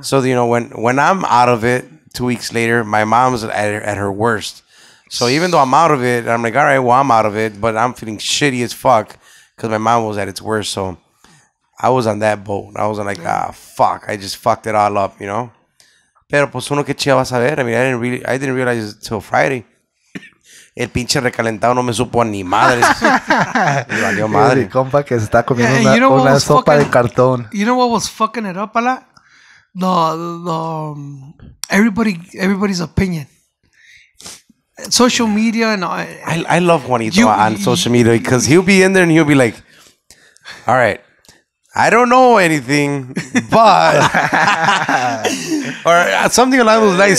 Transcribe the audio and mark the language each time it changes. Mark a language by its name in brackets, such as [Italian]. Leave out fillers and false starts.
[English] So, you know, when I'm out of it, 2 weeks later, my mom's at her worst. So even though I'm out of it, I'm like, all right, well, I'm out of it. But I'm feeling shitty as fuck because my mom was at its worst. So I was on that boat. I was like, ah, fuck. I just fucked it all up, you know? Pero pues uno que chido va a saber. I mean, I didn't realize it until Friday. [Spanish] El pinche recalentado no me supo ni madre. Valió madre. Mi compa que se está comiendo una sopa de cartón. [English] You know what was fucking it up a lot? The everybody's opinion. Social media and I love Juanito on social media because he'll be in there and he'll be like, all right, I don't know anything, but or something along those lines.